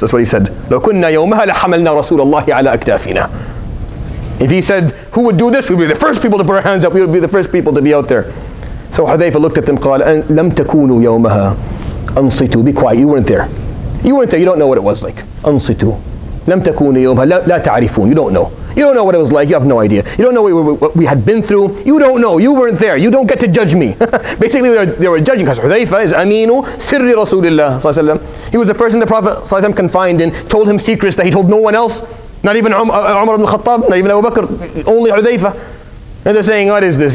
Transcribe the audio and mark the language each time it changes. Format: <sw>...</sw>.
<en>That's what he said.</en> <ar>لَكُنَّ يَوْمَهَا لَحَمَلْنَا رَسُولَ اللَّهِ عَلَىٰ أَكْتَافِنَا.</ar> <en>If he said, who would do this? We would be the first people to put our hands up. We would be the first people to be out there. So Hudhayfa looked at them,</en> <ar>قال, لَمْ تَكُونُوا يَوْمَهَا أَنصِتُوا.</ar> <en>Be quiet. You weren't there. You don't know what it was like.</en> <ar>أَنصِتُوا. لَمْ تَكُونُوا يَوْمَهَا لَا تَعْرِفُونَ.</ar> <en>You don't know. You don't know what it was like. You have no idea. You don't know what we had been through. You don't know. You weren't there. You don't get to judge me. Basically, they were judging because Hudhayfa is Aminu Sirri Rasulullah. He was the person the Prophet confined in, told him secrets that he told no one else. Not even Umar ibn Khattab, not even Abu Bakr, only Hudhayfa. And they're saying, what is this?</en>